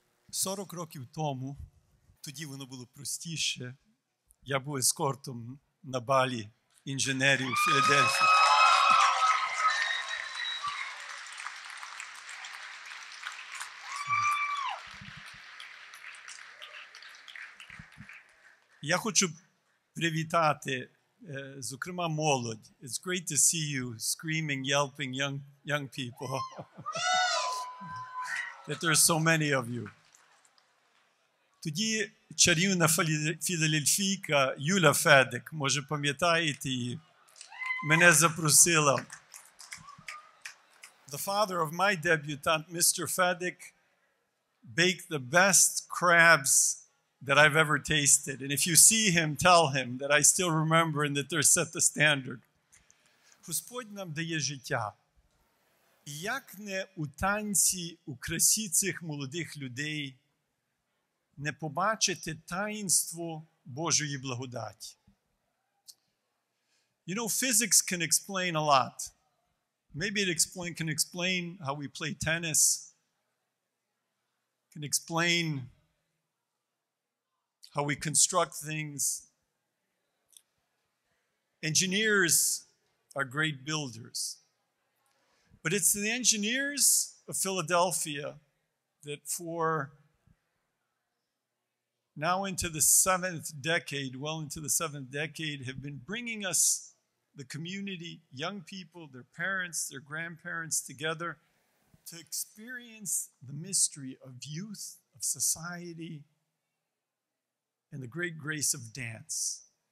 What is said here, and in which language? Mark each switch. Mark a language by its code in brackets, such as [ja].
[uk] 40 років тому, тоді воно було простіше, я був ескортом на балі інженерів у Філадельфії. Я хочу привітати, зокрема, молодь. [en] It's great to see you screaming, yelping, young people. That there are so many of you. [uk] Тоді чарівна філадельфійка Юля Федик, може пам'ятаєте її, мене запросила. [en] The father of my debutante, Mr. Fedek, baked the best crabs that I've ever tasted. And if you see him, tell him that I still remember and that they're set the standard. [uk] Господь нам дає життя. І як не у танці, у красі цих молодих людей, не побачити таїнство Божої благодаті. [en] You know, physics can explain a lot. Maybe it can explain how we play tennis, can explain how we construct things. Engineers are great builders. But it's the engineers of Philadelphia that for now into the seventh decade, well into the seventh decade, have been bringing us, the community, young people, their parents, their grandparents together to experience the mystery of youth, of society, and the great grace of dance.